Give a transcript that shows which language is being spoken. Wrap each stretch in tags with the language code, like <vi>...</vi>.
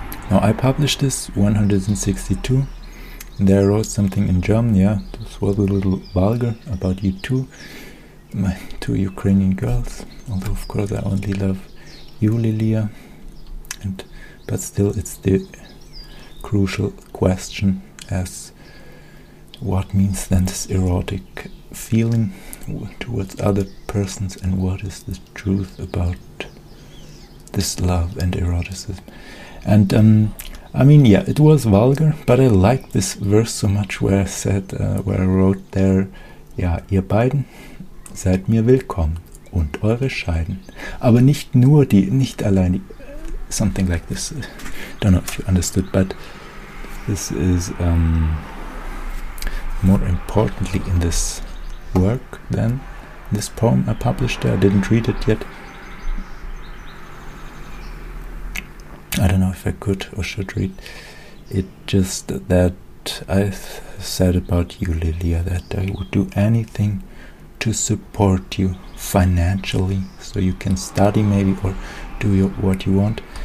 <en>Now, I published this 162. There I wrote something in German, yeah, this was a little vulgar, about you two, my two Ukrainian girls, although of course I only love you, Lilia, and but still it's the crucial question as what means then this erotic feeling towards other persons, and what is the truth about this love and eroticism. And I mean, yeah, it was vulgar, but I like this verse so much where I said, where I wrote there,</en> <de>ja, ihr beiden seid mir willkommen und eure Scheiden. Aber nicht nur die, nicht allein die,</de> <en>something like this. Don't know if you understood, but this is more importantly in this work than this poem I published there. I didn't read it yet. I don't know if I could or should read it, just that I said about you, Lilia, that I would do anything to support you financially so you can study maybe or do what you want.</en>